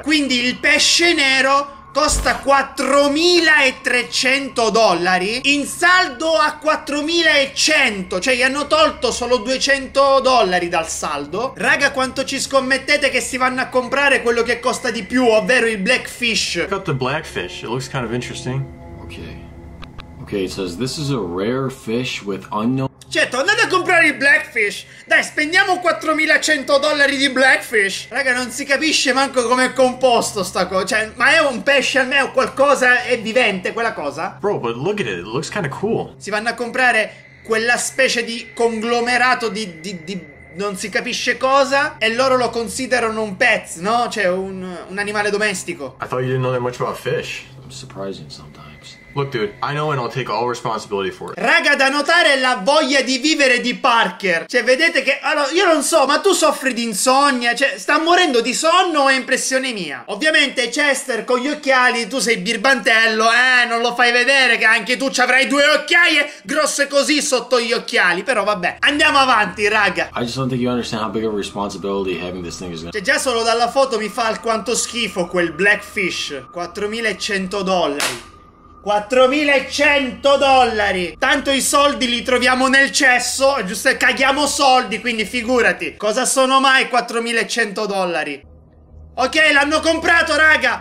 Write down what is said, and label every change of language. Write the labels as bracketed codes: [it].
[it] Quindi il pesce nero costa $4,300 in saldo a $4,100, cioè gli hanno tolto solo $200 dal saldo. Raga, quanto ci scommettete che si vanno a comprare quello che costa di più, ovvero il blackfish? [en] Got the blackfish. It looks kind of interesting. Okay. Okay, it says this is a rare fish with unknown. [it] Certo, andate a comprare il blackfish. Dai, spendiamo $4,100 di blackfish. Raga, non si capisce manco com'è composto sta cosa. Cioè, ma è un pesce a me o qualcosa? È vivente quella cosa? [en] Bro, but look at it, it looks kinda cool. [it] Si vanno a comprare quella specie di conglomerato di non si capisce cosa, e loro lo considerano un pets, no? Cioè, un animale domestico. [en] I thought you didn't know that much about fish. I'm surprising sometimes. times. Look, dude, I know and I'll take all responsibility for it. [it] Raga, da notare la voglia di vivere di Parker. Cioè, vedete che... Allora, io non so, ma tu soffri di insonnia? Cioè, sta morendo di sonno o è impressione mia? Ovviamente, Chester, con gli occhiali, tu sei birbantello, non lo fai vedere che anche tu ci avrai due occhiaie grosse così sotto gli occhiali. Però, vabbè, andiamo avanti, raga. [en] I just don't think you understand how big a responsibility having this thing is gonna... [it] Cioè, già solo dalla foto mi fa alquanto schifo quel Blackfish. $4,100. $4,100. Tanto i soldi li troviamo nel cesso, giusto? Caghiamo soldi, quindi figurati. Cosa sono mai $4,100? Ok, l'hanno comprato, raga.